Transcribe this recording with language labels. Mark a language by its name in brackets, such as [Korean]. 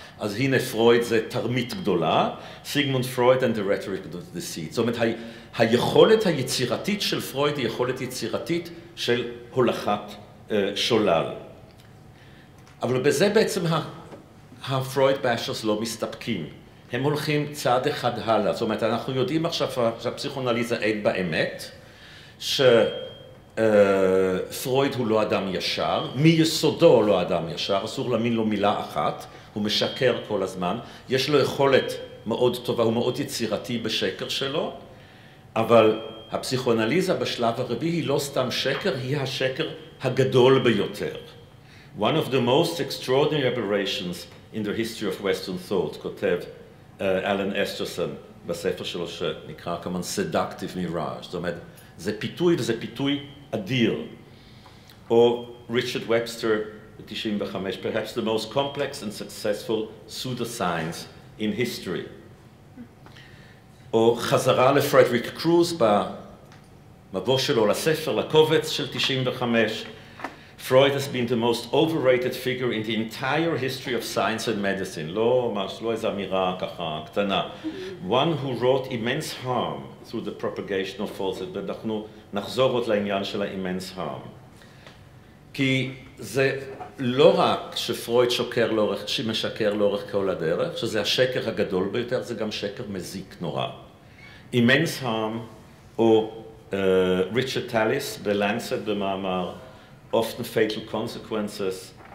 [Hebrew] אז הנה פרויד זה תרמית גדולה. [English] סיגמונד פרויד and the rhetoric of the deceit. [Hebrew] זאת אומרת, היכולת היצירתית של פרויד היא יכולת יצירתית של הולכת שולל. אבל בזה בעצם הפרויד באשרס לא מסתפקים. הם הולכים צעד אחד הלאה. זאת אומרת, אנחנו יודעים עכשיו שהפסיכואנליזה עד באמת, שפרויד הוא לא אדם ישר, מיסודו לא אדם ישר, אסור להאמין לו מילה אחת, הוא משקר כל הזמן, יש לו יכולת מאוד טובה, הוא מאוד יצירתי בשקר שלו, אבל הפסיכואנליזה בשלב הרביעי היא לא סתם שקר, היא השקר הגדול ביותר. [English] One of the most extraordinary aberrations in the history of Western thought, [Hebrew] כותב אלן אסטרסון בספר שלו שנקרא כמובן Seductive Mirage, זאת אומרת, זה פיתוי וזה פיתוי אדיר. או ריצ'רד ובסטר ב-95, [English] perhaps the most complex and successful pseudoscience in history. [Hebrew] או חזרה לפרדריק קרוז במבוא שלו לספר, לקובץ של 95, [English] Freud has been the most overrated figure in the entire history of science and medicine. [Hebrew] לא, ממש, לא איזו אמירה ככה, קטנה. [English] One who wrought immense harm through the propagation of falsehood. [Hebrew] ואנחנו נחזור עוד לעניין של ה-immense harm. כי זה לא רק שפרויד שוקר לאורך, שמשקר לאורך כל הדרך, שזה השקר הגדול ביותר, זה גם שקר מזיק נורא. Immense harm, או Richard Tallis, The Lancet במאמר, [English] often fatal consequences.